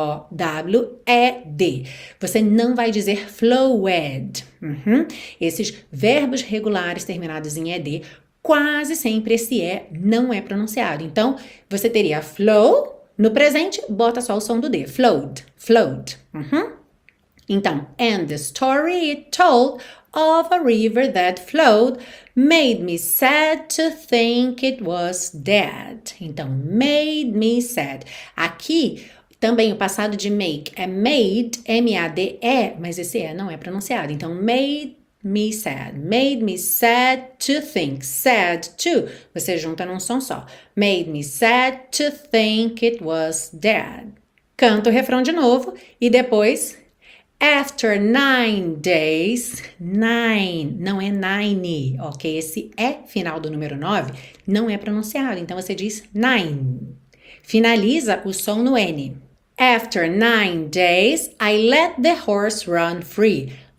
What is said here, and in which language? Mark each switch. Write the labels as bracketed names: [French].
[Portuguese] Flowed. Você não vai dizer flowed. Esses verbos regulares terminados em ed, quase sempre esse é não é pronunciado. Então, você teria flow no presente, bota só o som do D. [English] Flowed, flowed. [Portuguese] Então, [English] and the story it told of a river that flowed made me sad to think it was dead. [Portuguese] Então, [English] made me sad. [Portuguese] Aqui também o passado de make é made, M-A-D-E, mas esse E não é pronunciado. Então, [English] made me sad to [Portuguese] think, sad to, você junta num som só. [English] Made me sad to think it was dead. [Portuguese] Canta o refrão de novo e depois. [English] After 9 days, [Portuguese] nine, não é nine, ok? Esse é final do número 9, não é pronunciado. Então você diz nine. Finaliza o som no N. [English] After 9 days, I let the horse run free.